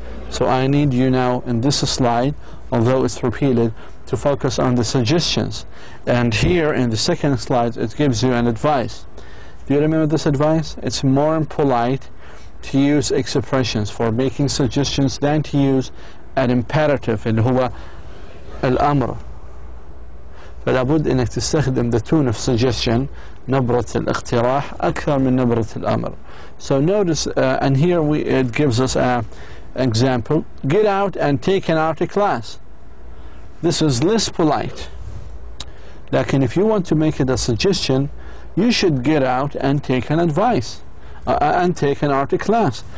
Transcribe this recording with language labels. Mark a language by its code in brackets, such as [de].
[en] So I need you now in this slide, although it's repeated, to focus on the suggestions. And here in the second slide, it gives you an advice. Do you remember this advice? It's more impolite to use expressions for making suggestions than to use an imperative, [ar] اللي هو الأمر. فلابد إنك تستخدم [en] the tone of suggestion, [ar] نبرة الاقتراح أكثر من نبرة الأمر. [en] So notice, and here it gives us an example. Get out and take an art class. This is less polite. [ar] لكن [en] if you want to make it a suggestion, you should get out and take an advice and take an art class.